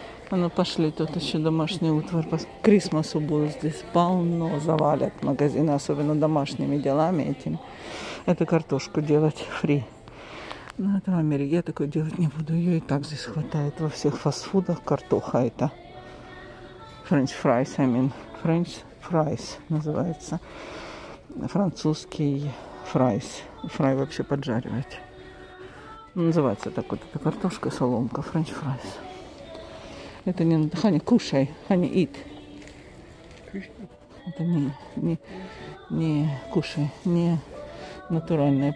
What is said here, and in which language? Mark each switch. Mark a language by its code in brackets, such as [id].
[ru] А ну пошли, тут еще домашний утварь. Крисмасу будет здесь полно, завалят магазины, особенно домашними делами этим. Это картошку делать фри. Но это в Америке я такое делать не буду. Ее и так здесь хватает во всех фастфудах. Картоха это. [en] French fries, I mean. [ru] French fries называется. Французский fries. Фрай вообще поджаривать. Называется так вот эта картошка, соломка. French fries. Это не надо. Honey, кушай. [en] Honey, eat. [ru] Это не кушай. Не натуральное.